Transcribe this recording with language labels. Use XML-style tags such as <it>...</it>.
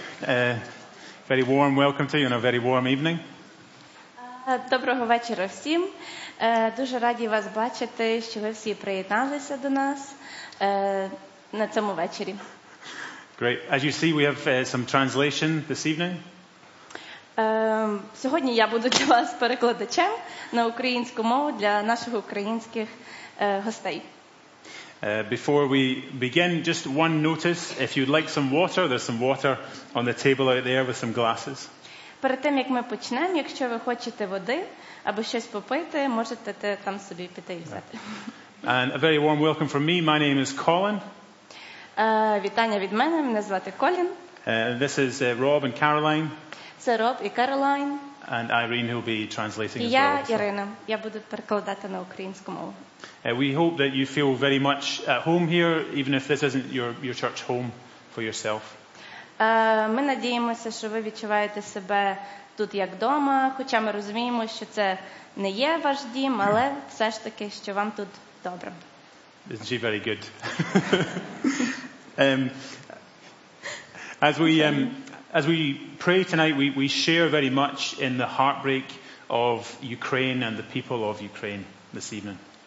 <en>Very warm welcome to you on a very warm evening.</en> <uk>Доброго вечора всім. Дуже раді вас бачити, що ви всі приєдналися до нас на цьому вечорі.</uk> <en>Great. As you see, we have some translation this evening.</en> <uk>Сьогодні я буду для вас перекладачем на українську мову для наших українських гостей.</uk> <en>Before we begin, just one notice. If you'd like some water, there's some water on the table out there with some glasses.</en> <uk>Перед тим, як ми почнемо, якщо ви хочете води або щось попити, можете там собі піти і взяти.</uk> <en>And a very warm welcome from me. My name is Colin.</en> <uk>Вітання від мене. Мене звати Колін.</uk> <en>This is Rob and Caroline.</en> <uk>Це Роб і</uk> <en>Caroline. And Irene, who will be translating as well.</en> <uk>Я Ірина. Я буду перекладати на українську мову.</uk> <en>We hope that you feel very much at home here, even if this isn't your church home for yourself.</en> <uk>Ми надіємося, що ви відчуваєте себе тут як вдома, хоча ми розуміємо, що це не є ваш дім, але все ж таки, що вам тут добре.</uk> <en>Isn't she very good? As we pray tonight, we share very much in the heartbreak of Ukraine and the people of Ukraine this evening.</en>